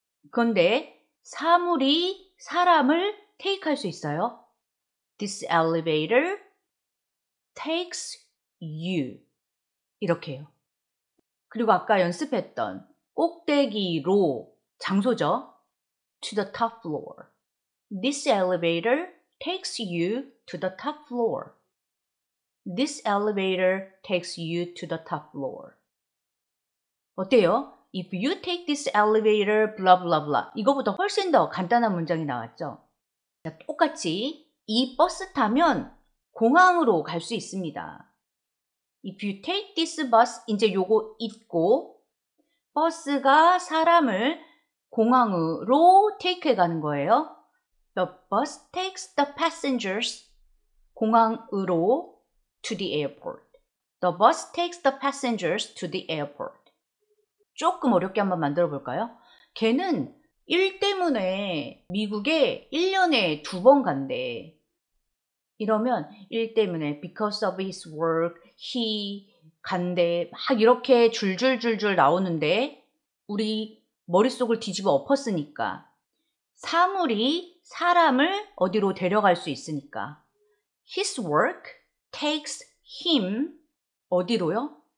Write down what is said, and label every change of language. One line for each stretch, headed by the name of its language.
Korean: 그런데 사물이 사람을 테이크할 수 있어요.
English: This elevator takes you.
Korean: 이렇게요. 그리고 아까 연습했던 꼭대기로 장소죠.
English: To the top floor. This elevator takes you to the top floor. This elevator takes you to the top floor.
Korean: 어때요?
English: If you take this elevator, blah blah blah.
Korean: 이거보다 훨씬 더 간단한 문장이 나왔죠. 자, 똑같이 이 버스 타면 공항으로 갈 수 있습니다.
English: If you take this bus,
Korean: 이제 요거 잊고 버스가 사람을 공항으로 테이크해 가는 거예요.
English: The bus takes the passengers
Korean: 공항으로
English: to the airport. The bus takes the passengers to the airport.
Korean: 조금 어렵게 한번 만들어 볼까요? 걔는 일 때문에 미국에 1년에 두 번 간대. 이러면 일 때문에
English: because of his work he
Korean: 간대 막 이렇게 줄줄줄줄 나오는데 우리 머릿속을 뒤집어 엎었으니까 사물이 사람을 어디로 데려갈 수 있으니까
English: his work takes him
Korean: 어디로요?